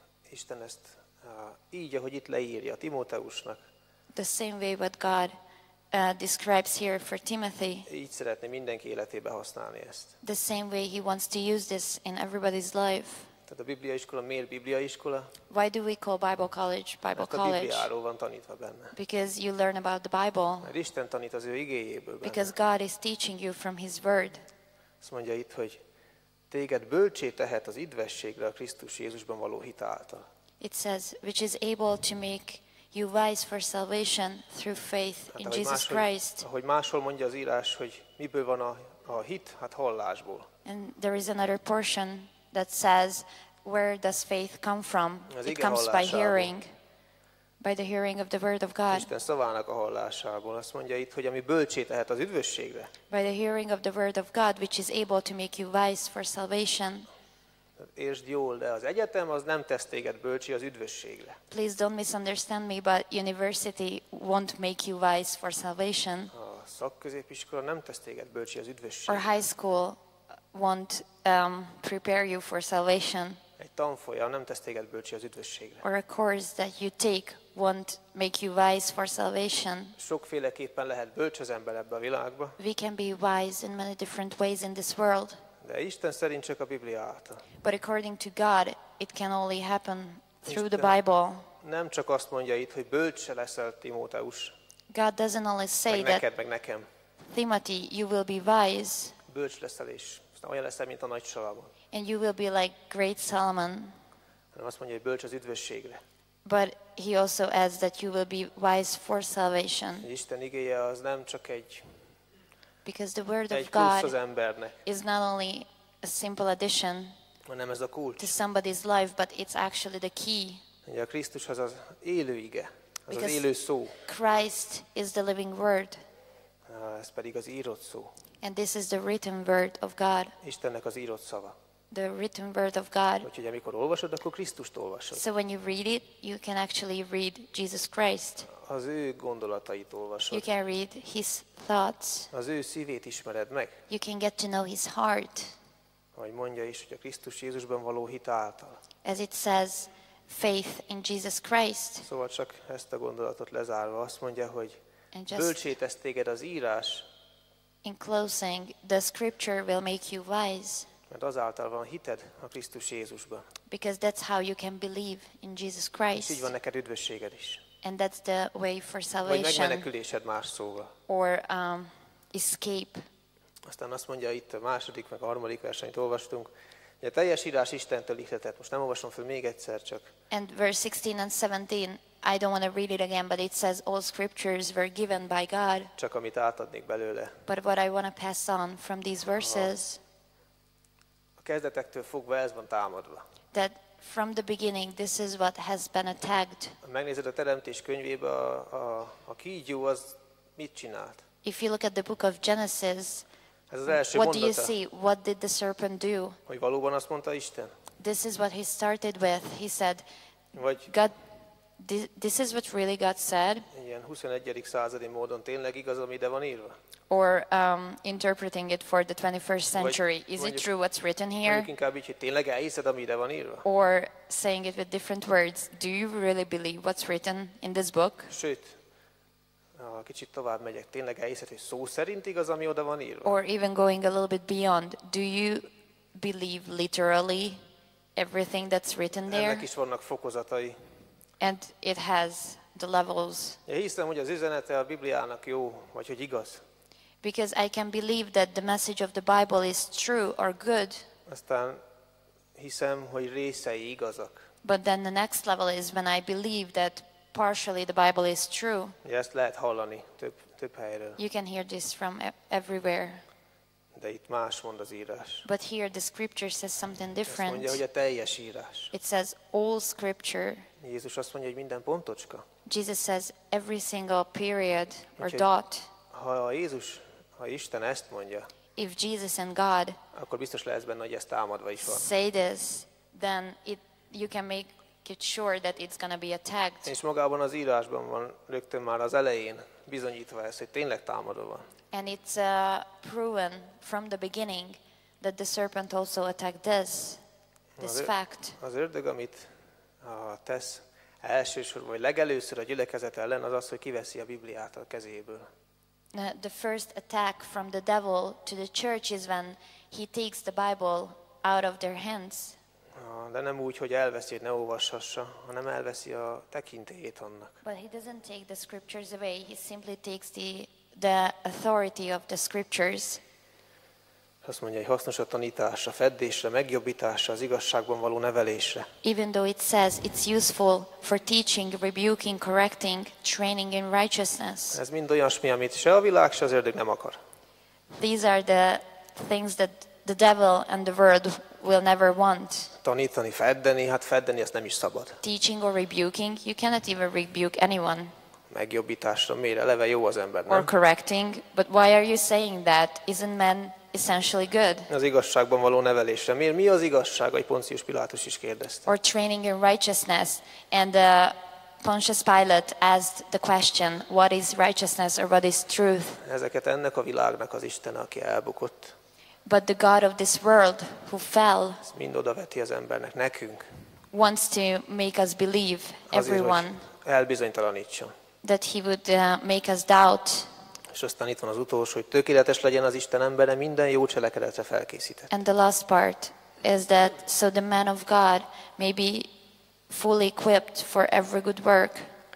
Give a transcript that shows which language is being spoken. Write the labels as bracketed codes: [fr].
[hu] Isten ezt így, ahogy itt leírja Timóteusnak. [en] The same way what God describes here for Timothy. [hu] Így szeretné mindenki életébe használni ezt. [en] The same way he wants to use this in everybody's life. [hu] Tehát a Bibliaiskola miért Bibliaiskola? [en] Why do we call Bible College Bible [hu] Mert [en] College? [hu] A Bibliáról van tanítva benne. [en] Because you learn about the Bible. [hu] Mert Isten tanít az ő igéjéből benne. [en] Because God is teaching you from his word. [hu] Azt mondja itt, hogy téged bölcsé tehet az üdvességre a Krisztus Jézusban való hit által. [en] It says, which is able to make you wise for salvation through faith in Jesus Christ. [hu] Ahogy máshol mondja az írás, hogy miből van a hit, hát hallásból. [en] And there is another portion that says, where does faith come from? [hu] Az [en] it comes by hearing, by the hearing of the word of God. [hu] Isten szavának a hallásából. Azt mondja itt, hogy ami bölcsé tehet az üdvösségre. [en] By the hearing of the word of God, which is able to make you wise for salvation. [hu] Értsd jól, de az egyetem az nem tesz téged bölcsi az üdvösségre. [en] Please don't misunderstand me, but university won't make you wise for salvation. [hu] A szakközépiskola nem tesz téged bölcsi az üdvösségre. [en] Or high school won't prepare you for salvation. [hu] Egy tanfolyam nem tesz téged bölcsi az üdvösségre. [en] Or a course that you take won't make you wise for salvation. [hu] Sokféleképpen lehet bölcs az ember ebbe a világba. [en] We can be wise in many different ways in this world. [hu] De Isten szerint csak a Biblia által. [en] But according to God, it can only happen through the Bible. [hu] Nem csak azt mondja itt, hogy bölcse leszel, Timóteus. [en] God doesn't only say that. [hu] Meg nekem. [en] Timothy, you will be wise. [hu] Bölcs leszel is. Olyan leszel, mint a nagy Salamon. [en] And you will be like great Solomon. [hu] Hanem azt mondja, hogy bölcs az üdvösségre. [en] But he also adds that you will be wise for salvation. [hu] Isten igéje az nem csak egy. [en] Because the word of [hu] egy [en] God [hu] plusz az embernek, [en] is not only a simple addition, [hu] hanem ez a kulcs [en] to somebody's life, but it's actually the key. [hu] Ugye a Krisztus az az élő ige, az az élő szó. [en] Christ is the living word. [hu] Ez pedig az írott szó. [en] And this is the written word of God. [hu] Istennek az írott szava. [en] The written word of God. [hu] Úgyhogy amikor olvasod, akkor Krisztust olvasod. [en] So when you read it, you can actually read Jesus Christ. [hu] Az ő gondolatait olvasod. [en] You can read his thoughts. [hu] Az ő szívét ismered meg. [en] You can get to know his heart. [hu] Ahogy mondja is, hogy a Krisztus Jézusban való hit által. [en] As it says, faith in Jesus Christ. [hu] Szóval csak ezt a gondolatot lezárva azt mondja, hogy bölcsé tesz téged az írás. [en] In closing, the scripture will make you wise. [hu] Mert azáltal van hited a Krisztus Jézusban. [en] Because that's how you can believe in Jesus Christ. [hu] És így van neked üdvösséged is. [en] And that's the way for salvation. [hu] Vagy megmenekülésed más szóval. [en] Or escape. [hu] Aztán azt mondja itt a második, meg a harmadik versenyt olvastunk. A teljes írás Istentől ihletett. Most nem olvasom föl még egyszer csak. [en] And verse 16 and 17. I don't want to read it again, but it says all scriptures were given by God. [hu] Csak amit átadnék belőle. [en] But what I want to pass on from these verses. [hu] A kezdetektől fogva ez van támadva. [en] That from the beginning this is what has been attacked. [hu] Ha megnézed a Teremtés könyvébe, a kígyó az mit csinált? [en] If you look at the book of Genesis, [hu] ez az első [en] what [hu] mondata, [en] do you see? What did the serpent do? [hu] Hogy valóban azt mondta Isten? [en] This is what he started with. He said, God, this is what really God said. [hu] Igen, 21. századi módon tényleg igaz, ami ide van írva. [en] Or interpreting it for the 21st century. Is [hu] mondjuk, [en] it true what's written here? [hu] Mondjuk inkább így, hogy tényleg elhiszed, ami ide van írva? [en] Or saying it with different words. Do you really believe what's written in this book? [hu] Sőt, kicsit tovább megyek. Tényleg elhiszed, hogy szó szerint igaz, ami oda van írva? [en] Or even going a little bit beyond. Do you believe literally everything that's written there? [hu] Ennek is vannak fokozatai. [en] And it has the levels. [hu] Ja, hiszem, hogy az üzenete a Bibliának jó, vagy hogy igaz. [en] Because I can believe that the message of the Bible is true or good. [hu] Aztán hiszem, hogy részei igazak. [en] But then the next level is when I believe that partially the Bible is true. [hu] Ja, ezt lehet hallani több helyről. [en] You can hear this from everywhere. [hu] De itt más mond az írás. [en] But here the scripture says something different. [hu] Ezt mondja, hogy a teljes írás. [en] It says all scripture. [hu] Jézus azt mondja, hogy minden pontocska. [en] Jesus says every single period or dot. [hu] Ha a Jézus, ha Isten ezt mondja. [en] If Jesus and God. [hu] Akkor biztos lehet benne, hogy ezt támadva is van. [en] Say this, then it you can make it sure that it's gonna be attacked. [hu] És magában az írásban van rögtön már az elején bizonyítva ez, hogy tényleg támadva van. [en] And it's proven from the beginning that the serpent also attacked this fact. [hu] Az ördög, amit tesz elsősorban, vagy legelőször a gyülekezet ellen, az az, hogy kiveszi a Bibliát a kezéből. [en] The first attack from the devil to the church is when he takes the Bible out of their hands. [hu] De nem úgy, hogy elveszi, hogy ne olvashassa, hanem elveszi a tekintélyét annak. [en] But he doesn't take the scriptures away, he simply takes the authority of the scriptures. [hu] Azt mondja, hogy hasznos a tanításra, feddésre, megjobbításra, az igazságban való nevelésre. [en] Even though it says it's useful for teaching, rebuking, correcting, training in righteousness. [hu] Ez mind olyasmi, amit se a világ, se az ördög nem akar. [en] These are the things that the devil and the world will never want. [hu] Tanítani, feddeni, hát feddeni, ezt nem is szabad. [en] Teaching or rebuking, you cannot even rebuke anyone. [hu] Megjobbításra, miért? Eleve jó az ember, nem? [en] Or correcting, but why are you saying that? Isn't man essentially good? [hu] Az igazságban való nevelésre. Miért? Mi az igazság? Egy Pontius Pilátus is kérdezte. [en] Or training in righteousness. And Pontius Pilate asked the question, what is righteousness or what is truth? [hu] Ezeket ennek a világnak az Isten, aki elbukott. [en] But the God of this world who fell [hu] ezt mind odaveti az embernek, nekünk. [en] Wants to make us believe, everyone. [hu] Azért, hogy elbizonytalanítson. [en] That he would make us doubt. [hu] És aztán itt van az utolsó, hogy tökéletes legyen az Isten embere minden jó cselekedetre felkészített. [en] And the last part is that so the man of God may be fully equipped for every good work.